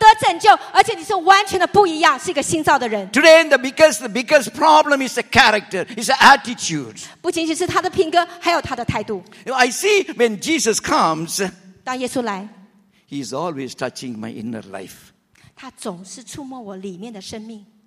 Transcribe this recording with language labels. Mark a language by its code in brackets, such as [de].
[zh] 而当你遇见了耶稣的时候，你会完全的得释放、得自由、得拯救，而且你是完全的不一样，是一个新造的人。 [en] Today, the biggest problem is the character, is the attitude. [zh] 不仅仅是他的品格，还有他的态度。 [en] You know, I see when Jesus comes. [zh] 当耶稣来， [en] He is always touching my inner life. [zh] 他总是触摸我里面的生命。